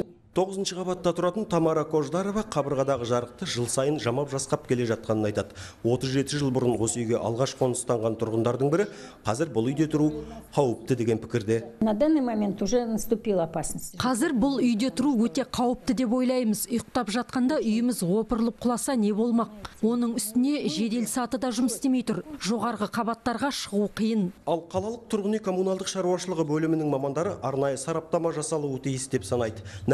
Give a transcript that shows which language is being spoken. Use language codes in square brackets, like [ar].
[kk] Тоғызыншы қабатта тұратын Тамара Кождарова қабырғадағы жарықты жыл сайын жамап жасқап келе жатқанын айтады. 37 жыл бұрын осы үйге алғаш қоныстанған тұрғындардың бірі қазір бұл үйде тұру қауіпті деген пікірде. [ru] На данный момент уже наступила опасность. [kk] Қазір бұл үйде тұру өте қауіпті деп ойлаймыз. Ұйықтап жатқанда үйіміз опырылып құласа не болмақ? Оның үстіне жедел саты да жұмыс істемей тұр. Жоғарғы қабаттарға шығу қиын. Ал қалалық тұрғын үй коммуналдық шаруашылығы бөлімінің мамандары арнайы сараптама жасалуы тиіс деп санайды.